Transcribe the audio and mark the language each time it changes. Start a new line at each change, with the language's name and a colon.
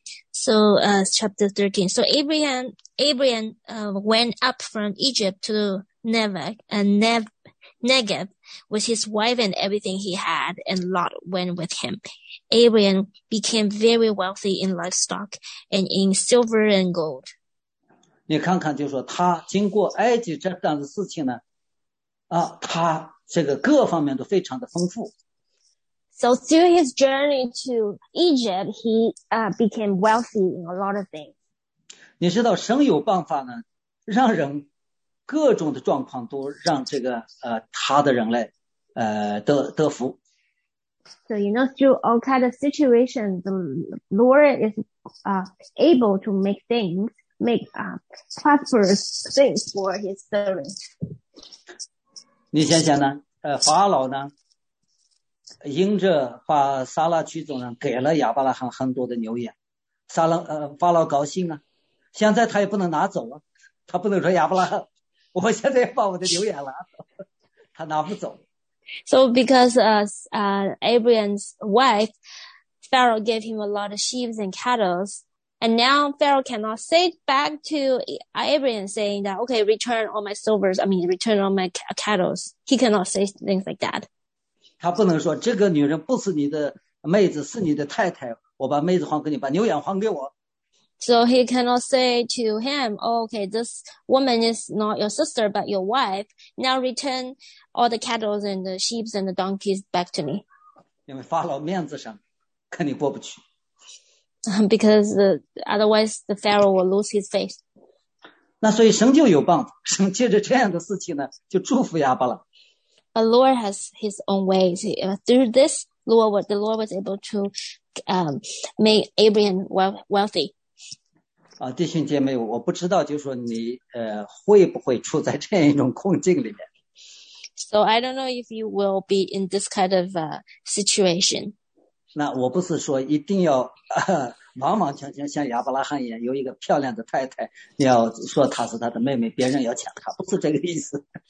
English: So, chapter 13. So Abraham, went up from Egypt to Negev with his wife and everything he had, and Lot went with him. Abraham became very wealthy in livestock and in silver and gold.
Chinese: 你看看，就是说他经过埃及这样的事情呢，啊，他这个各方面都非常的丰富。
English: So through his journey to Egypt, he became wealthy in a lot of things.
Chinese: 你知道神有办法呢，让人各种的状况都让这个他的人类得福。
English: So you know, through all kind of situations, the Lord is able to make things. prosperous things for his servants.
Chinese: 你想想呢？法老呢？因着把撒拉娶走呢，给了亚伯拉罕很多的牛羊，撒拉法老高兴啊，现在他也不能拿走啊，他不能说亚伯拉罕，我现在要把我的牛羊拿走，他拿不走。
English: So because Abraham's wife, Pharaoh gave him a lot of sheep and cattle, and now Pharaoh cannot say back to Abraham saying that, okay, return all my silvers, I mean, return all my cattle. He cannot say things like that.
Chinese: 他不能说这个女人不是你的妹子，是你的太太，我把妹子还给你，把牛羊还给我。
English: So he cannot say to him, oh, okay, this woman is not your sister, but your wife. Now return all the cattle and the sheep and the donkeys back to me.
Chinese: 因为法老面子上肯定过不去。
English: Because otherwise the Pharaoh will lose his face.
Chinese: 那所以神就有办法，神借着这样的事情呢，就祝福亚伯拉。
English: The Lord has his own ways. Through this, the Lord was able to make Abraham wealthy.
Chinese: 弟兄姐妹，我不知道就是说你会不会处在这样一种困境里面。
English: So I don't know if you will be in this kind of situation.
Chinese: 那我不是说一定要完完全全像亚伯拉罕一样有一个漂亮的太太，要说她是他的妹妹，别人要抢她，不是这个意思。